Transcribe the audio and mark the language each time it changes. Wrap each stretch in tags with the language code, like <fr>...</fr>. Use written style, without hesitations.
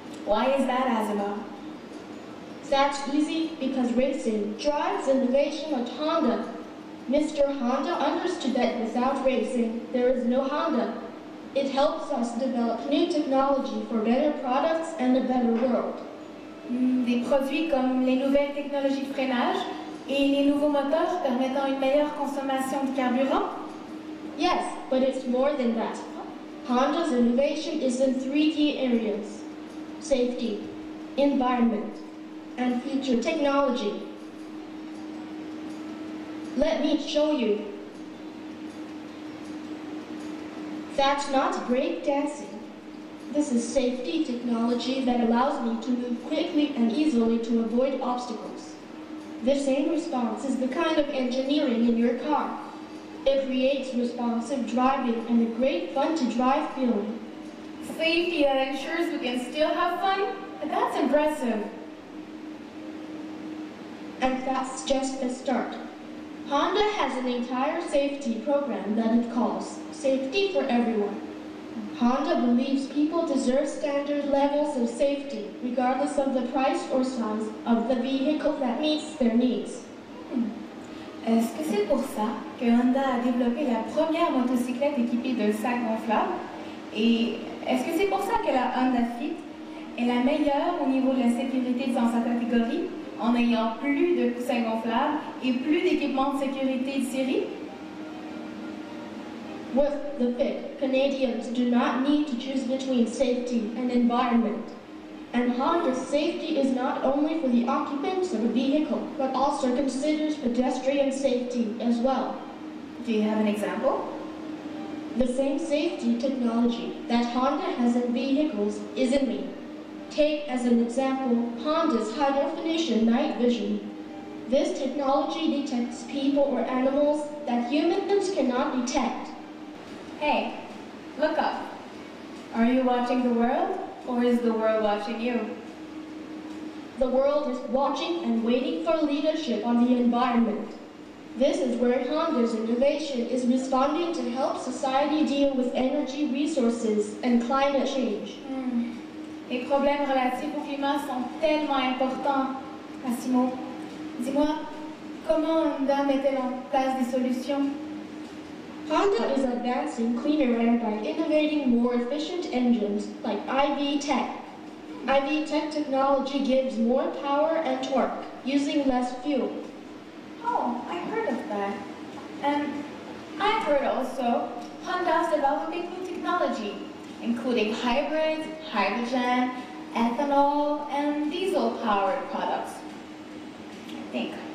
<en>Why is that, Asimo? That's easy, because racing drives innovation at Honda. Mr. Honda understood that without racing, there is no Honda. It helps us develop new technology for better products and a better world.</en> <fr>Des produits comme les nouvelles technologies de freinage et les nouveaux moteurs permettant une meilleure consommation de carburant?</fr> <en>Yes, but it's more than that. Honda's innovation is in three key areas: safety, environment, and future technology. Let me show you. That's not break dancing. This is safety technology that allows me to move quickly and easily to avoid obstacles. The same response is the kind of engineering in your car. It creates responsive driving and a great fun to drive feeling. Safety that ensures we can still have fun? That's impressive. And that's just the start. Honda has an entire safety program that it calls Safety for Everyone. Honda believes people deserve standard levels of safety, regardless of the price or size of the vehicle that meets their needs.</en> <fr>Est-ce que c'est pour ça que Honda a développé la première motocyclette équipée d'un sac gonflable? Et est-ce que c'est pour ça que la Honda Fit est la meilleure au niveau de la sécurité dans sa catégorie? En ayant plus de coussins gonflables et plus d'équipements de sécurité de série?</fr> <en>With the Fit, Canadians do not need to choose between safety and environment. And Honda's safety is not only for the occupants of a vehicle, but also considers pedestrian safety as well. Do you have an example? The same safety technology that Honda has in vehicles is in me. Take, as an example, Honda's high-definition night vision. This technology detects people or animals that humans cannot detect. Hey, look up. Are you watching the world, or is the world watching you? The world is watching and waiting for leadership on the environment. This is where Honda's innovation is responding to help society deal with energy resources and climate change.</en> <fr>Les problèmes relatifs au climat sont tellement importants, Asimo. Dis-moi, comment Honda met-elle en place des solutions?</fr> <en>Honda is advancing cleaner air by innovating more efficient engines, like IV Tech. IV Tech technology gives more power and torque, using less fuel. Oh, I heard of that. And I've heard also Honda's developing new technology, including hybrids, hydrogen, ethanol, and diesel-powered products, I think.</en>